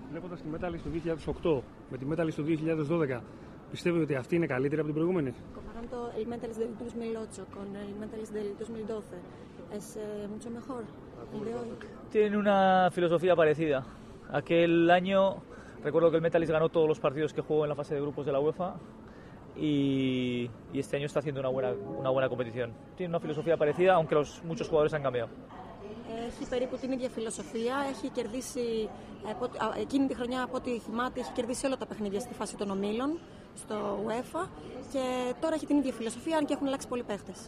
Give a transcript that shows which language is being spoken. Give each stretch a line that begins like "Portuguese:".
Greek: Βλέποντας τη Μέταλλις του 2008 με τη Μέταλλις του 2012, πιστεύετε ότι αυτή είναι καλύτερη από την προηγούμενη?
Spanish: Comparando το El Metalist del 2008 con El Metalist del 2012, es mucho mejor. Tiene una filosofía parecida. Aquel año recuerdo que el Metalist ganó todos los partidos que jugó en la fase de grupos de la UEFA y este año está haciendo una buena competición. Tiene una filosofía parecida, aunque muchos jugadores han cambiado.
Greek: Έχει περίπου την ίδια φιλοσοφία. Έχει κερδίσει εκείνη τη χρονιά, από ό,τι θυμάται, έχει κερδίσει όλα τα παιχνίδια στη φάση των ομίλων στο UEFA και τώρα έχει την ίδια φιλοσοφία, αν και έχουν αλλάξει πολλοί παίχτες.